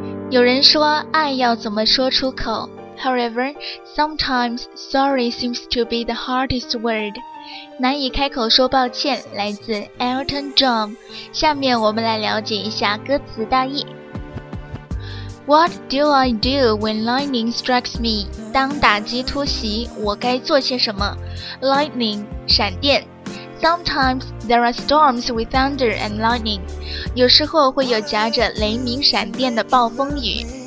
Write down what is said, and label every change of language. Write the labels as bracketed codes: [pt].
[zh] 有人说爱要怎么说出口。 [en] However, sometimes sorry seems to be the hardest word。 [zh] 难以开口说抱歉，来自 Elton John。 下面我们来了解一下歌词大意。 [en] What do I do when lightning strikes me? [zh] 当打击突袭，我该做些什么？Lightning, 闪电。 [en] Sometimes there are storms with thunder and lightning. [zh] 有时候会有夹着雷鸣闪电的暴风雨。